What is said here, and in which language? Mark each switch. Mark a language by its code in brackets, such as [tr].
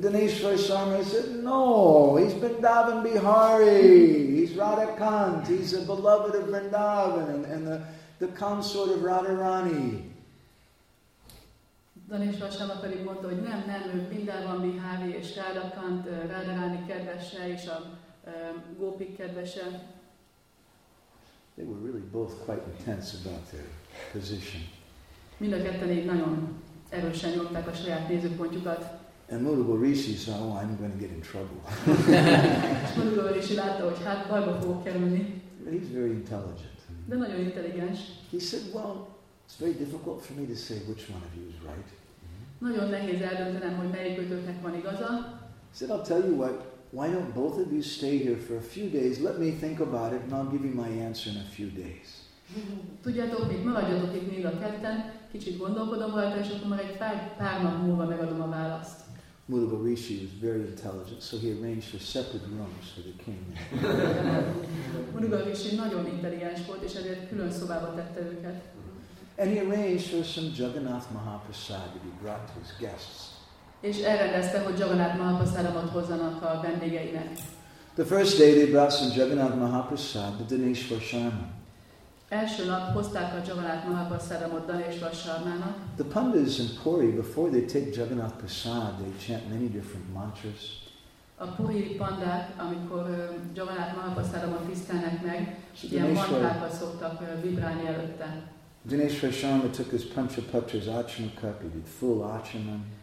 [en] Dhaneshwar Sharma said, no, he's Vrindavan Bihari, he's Radhakant, he's a beloved of Vrindavan and the consort of Radharani. [hu] Dhaneshwar Sharma pedig mondta, hogy nem, ő Vrindavan Bihari és Radhakant, Radharani kedvese és a Gopik kedvese. [en] They were really both quite intense about their position. [hu] Mind a ketten így nagyon erősen nyomták a saját nézőpontjukat. [en] And Mudugal Rishi saw, oh, I'm going to get in trouble. [hu] Mudugal Rishi látta, hogy hát bajba fogok kerülni. [en] But he's very intelligent. [hu] De nagyon intelligens. [en] He said, well, it's very difficult for me to say which one of you is right. [hu] Nagyon nehéz eldöntenem, hogy melyikőtöknek van igaza. [en] He said, I'll tell you what, why don't both of you stay here for a few days, let me think about it, and I'll give you my answer in a few days. [hu] Tudjátok, hogy maradjatok itt még a ketten, kicsit gondolkodom rajta, és akkor már egy pár nap múlva megadom a választ. [en] Mudugal Rishi was very intelligent, so he arranged for separate rooms for the king. [hu] Mudugal Rishi nagyon intelligens volt, és ezért külön szobába tette őket. [en] And he arranged for some Jagannath Mahaprasad to be brought to his guests. [hu] És elrendezte, hogy Jagannath Mahaprasadot hozzanak a vendégeinek. [en] The first day they brought some Jagannath Mahaprasad to Dhaneshwar Sharma. [hu] Első nap hozták a Jagannath Mahaprasadamot Dhaneshwar Sharmának. [en] The pandas in Puri, before they take Jagannath Prasad, they chant many different mantras. [hu] A Puri pandák, amikor Jagannath Mahaprasadamot tisztelnek meg, ilyen mantrákat szoktak vibrálni előtte. [en] Dhaneshwar Sharma took his Panchapatra's Achana cup, he did full Achanam.